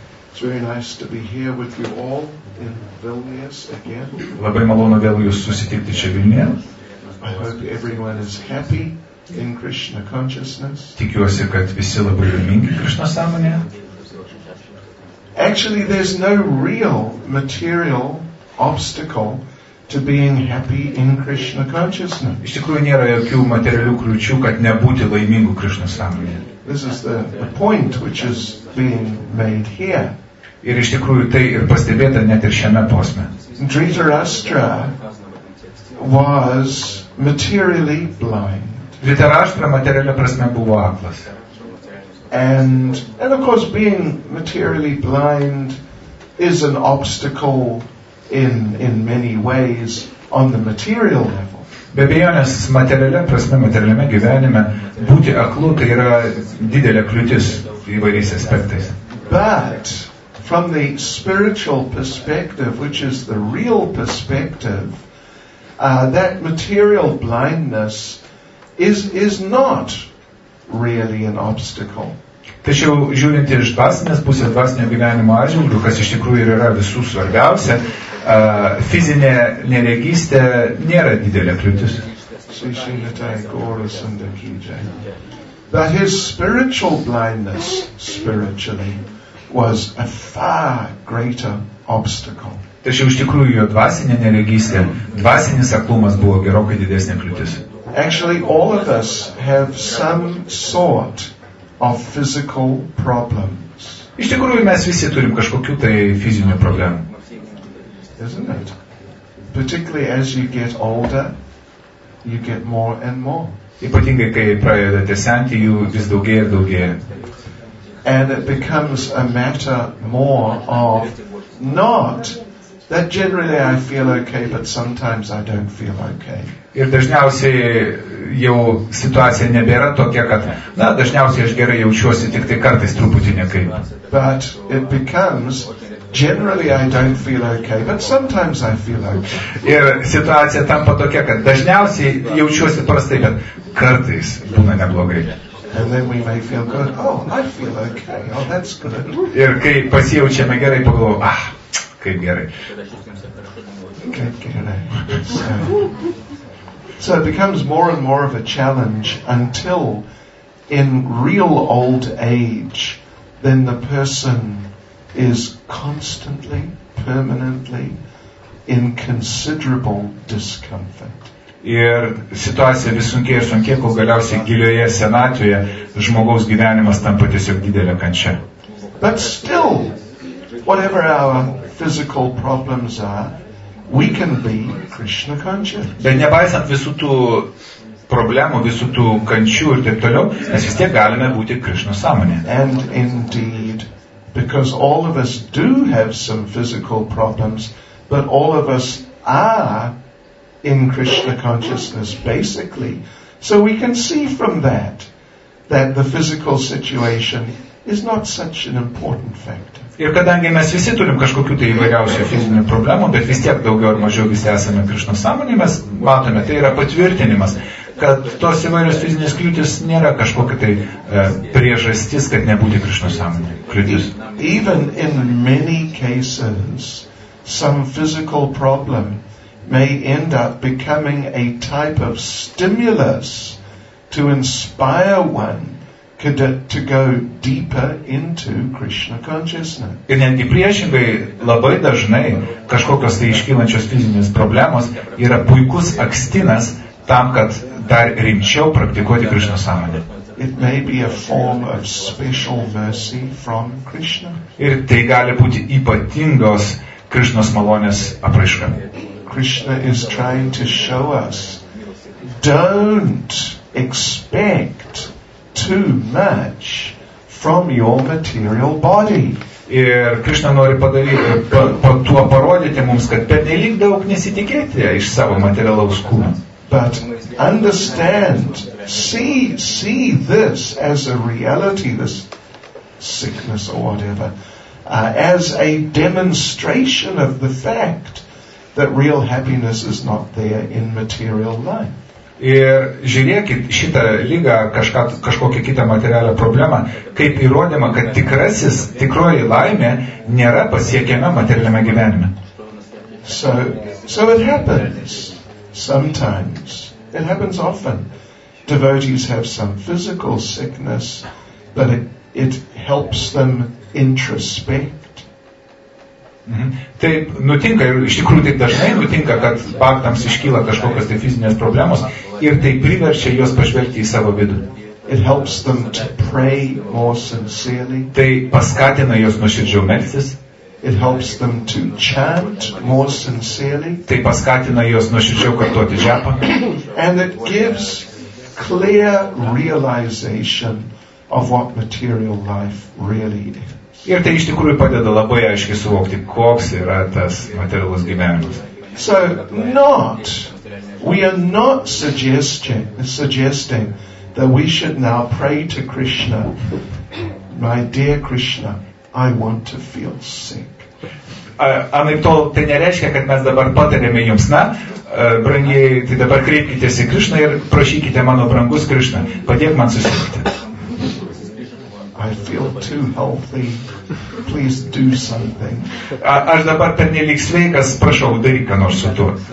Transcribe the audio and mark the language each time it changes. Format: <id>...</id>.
<en>It's very nice to be here with you all in Vilnius again.</en> <lt>Labai malonu vėl jūs susitikti čia Vilniuje.</lt> <en>I hope everyone is happy in Krishna consciousness.</en> <lt>Tikiuosi, kad visi labai laimingi Krishna sąmonėje.</lt> <en>Actually, there's no real material obstacle to being happy in Krishna consciousness.</en> <lt>Iš tikrųjų, nėra jokių materialių kliūčių, kad nebūti laimingu Krishna sąmonėje.</lt> <en>This is the point which is being made here.</en> <lt>Ir iš tikrųjų, tai ir pastebėta net ir šiame posme.</lt> <en>Dhritarashtra was materially blind.</en> <lt>Dhritarashtra materialia prasme buvo aklas.</lt> <en>And of course being materially blind is an obstacle in many ways on the material level.</en> <lt>Be abejonės, materialia prasme, materialiame gyvenime būti aklu tai yra didelė kliūtis įvairiais aspektais.</lt> <en>But from the spiritual perspective, which is the real perspective, that material blindness is not really an obstacle.</en> <lt>Tačiau, žiūrint iš dvasinės pusės dvasinio gyvenimo atžvilgių, kas iš tikrųjų ir yra visų svarbiausia, fizinė neregystė nėra didelė kliūtis.</lt> <en>But his spiritual blindness spiritually was a far greater obstacle.</en> <lt>Tačiau, iš tikrųjų, jo dvasinė neregystė, dvasinis aklumas buvo gerokai didesnė kliūtis.</lt> <en>Actually, all of us have some sort of physical problems.</en> <lt>Iš tikrųjų, mes visi turim kažkokių tai fizinių problemų.</lt> <en>Isn't it? Particularly as you get older, you get more and more.</en> <lt>Ypatingai, kai pradedate senti, jų vis daugėja ir daugėja.</lt> <en>And it becomes a matter more of not that generally I feel okay, but sometimes I don't feel okay.</en> <lt>Ir dažniausiai jau situacija nebėra tokia, kad na, dažniausiai aš gerai jaučiuosi tik tai kartais truputį nekaip.</lt> <en>But it becomes generally I don't feel okay, but sometimes I feel okay.</en> <lt>Ir situacija tampa tokia, kad dažniausiai jaučiuosi prastai, bet kartais būna neblogai.</lt> <en>And then we may feel good. Oh, I feel okay. Oh, that's good.</en> <lt>Ir kai pasijaučiame gerai, pagalvojau, ah, kaip gerai. Kaip gerai.</lt> <en>So it becomes more and more of a challenge until in real old age, then the person is constantly, permanently in considerable discomfort.</en> <lt>Ir situacija vis sunkėja ir sunkėja, kol galiausiai gilioje senatvėje žmogaus gyvenimas tampa tiesiog didelė kančia.</lt> <en>But still, whatever our physical problems are, we can be Krishna conscious.</en> <lt>Bet nepaisant visų tų problemų, visų tų kančių ir taip toliau, mes vis tiek galime būti Krishna sąmonė.</lt> <en>And indeed, because all of us do have some physical problems, but all of us are in Krishna consciousness, basically. So we can see from that, that the physical situation is not such an important factor.</en> <lt>Ir kadangi mes visi turim kažkokių tai įvairiausių fizinių problemų, bet vis tiek daugiau ar mažiau visi esame Krishna sąmonė, mes matome, tai yra patvirtinimas, kad tos įvairios fizinės kliūtis nėra kažkokia tai priežastis, kad nebūti Krishna sąmonė kliūtis.</lt> <en>Even in many cases, some physical problem may end up becoming a type of stimulus to inspire one to go deeper into Krishna consciousness.</en> <lt>Ir netgi priešingai, labai dažnai kažkokios tai iškylančios fizinės problemos yra puikus akstinas tam, kad dar rimčiau praktikuoti Krishna sąmonę.</lt> <en>It may be a form of special mercy from Krishna.</en> <lt>Ir tai gali būti ypatingos Krishnos malonės apraiška.</lt> <en>Krishna is trying to show us, don't expect too much from your material body.</en> <lt>Ir Krishna nori padaryti, tuo parodyti mums, kad pernelyg daug nesitikėti iš savo materialaus kūno.</lt> <en>But understand, see this as a reality, this sickness or whatever, as a demonstration of the fact that real happiness is not there in material life.</en> <lt>Ir žiūrėkit šitą lygą, kažkokią kitą materialią problemą, kaip įrodymą, kad tikroji laimė nėra pasiekiama materialiame gyvenime.</lt> <en>So it happens sometimes. It happens often. Devotees have some physical sickness, but it helps them introspect.</en> <lt>Taip nutinka ir iš tikrųjų taip dažnai nutinka, kad baktams iškyla kažkokios tai fizinės problemos ir tai priverčia juos pažvelgti į savo vidų.</lt> <en>It helps them to pray more sincerely.</en> <lt>Tai paskatina juos nuoširdžiau melstis.</lt> <en>It helps them to chant more sincerely.</en> <lt>Tai paskatina juos nuoširdžiau kartuoti džiapą.</lt> <en>And it gives clear realization of what material life really is.</en> <lt>Ir tai iš tikrųjų padeda labai aiškiai suvokti, koks yra tas materialus gyvenimas.</lt> <en>So, not, we are not suggesting that we should now pray to Krishna, my dear Krishna, I want to feel sick.</en> <lt>Tai nereiškia, kad mes dabar patarėme jums, na, brangiai, tai dabar kreipkitės į Krishna ir prašykite mano brangus Krishna, padėk man susirgti.</lt> <en>I feel too healthy. Please do something.</en> <lt>Aš dabar pernelyg sveikas, prašau, daryk ką nors su tuo.</lt>